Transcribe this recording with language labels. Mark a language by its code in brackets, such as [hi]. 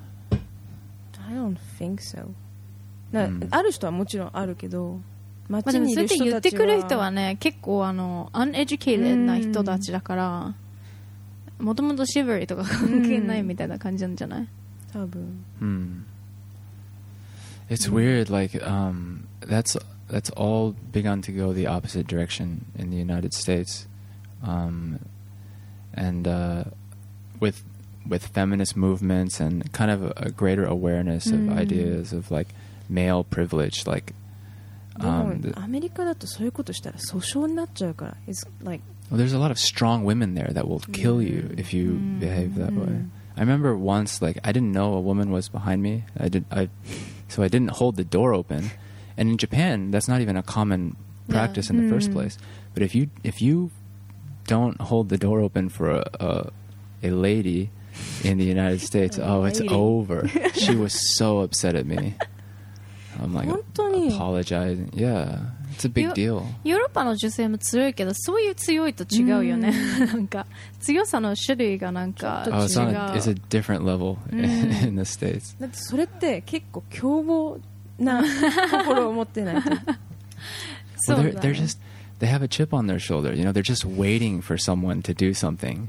[en] I don't think so. [ja] ある人はもちろんあるけど。まあ、でもそうやって言ってくる人はね結構あの uneducated な人たちだから、もともとシブリーとか関係ないみたいな感じなんじゃない、多分、 [en] It's weird like that's all begun to go the opposite direction in the United States、and with feminist movements and kind of a greater awareness of ideas of like male privilege like [ja] アメリカだとそういうことしたら訴訟になっちゃうから、 [en] It's like well, there's a lot of strong women there that will kill you if you behave that way. I remember once like I didn't know a woman was behind me, I didn't hold the door open, and in Japan that's not even a common practice in the first place. But if you don't hold the door open for a lady in the United States, it's over. She was so upset at me. I'm like apologizing. Yeah. It's a big deal. [ja] ヨーロッパの女性も強いけど、そういう強いと違うよね。なんか強さの種類がなんか違う。 [en] Oh, it's a different level in the States. [ja] だってそれって結構凶暴な心を持ってないと。 [en] Well, they're just, they have a chip on their shoulder. You know, they're just waiting for someone to do something.